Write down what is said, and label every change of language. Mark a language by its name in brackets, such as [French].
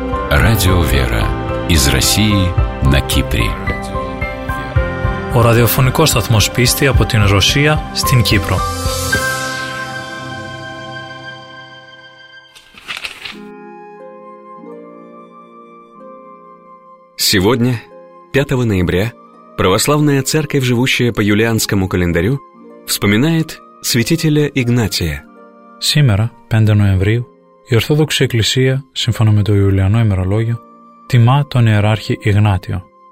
[Russian] Радио «Вера» из России на Кипре. [Greek] Ο ραδιοφωνικός σταθμός πίστη από την Ρωσία στην Κύπρο. [Russian] Сегодня, 5 ноября, православная церковь, живущая по юлианскому календарю, вспоминает святителя Игнатия. Сегодня, 5 ноября, [Greek] η Ορθόδοξη Εκκλησία, σύμφωνα με το Ιουλιανό ημερολόγιο, τιμά τον Ιεράρχη Ιγνάτιο.